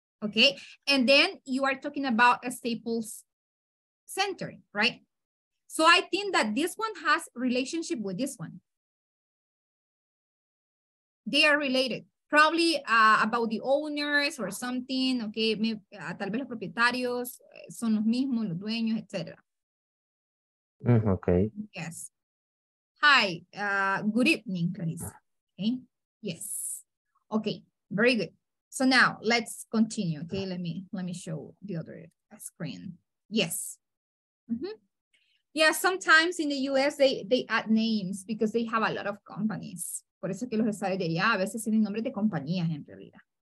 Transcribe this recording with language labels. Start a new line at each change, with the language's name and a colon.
English: Okay, and then you are talking about a Staples Center, right? So I think that this one has relationship with this one. They are related, probably about the owners or something, okay?
Spanish: Tal vez los propietarios son los mismos, los dueños, etc.
English: Okay. Yes. Hi, good evening, Clarissa. Okay, yes. Okay, very good. So now let's continue. Okay, let me show the other screen. Yes. Yeah, sometimes in the US they add names because they have a lot of companies.
Spanish: Por eso que los estados de allá a veces tienen nombres de compañías en realidad.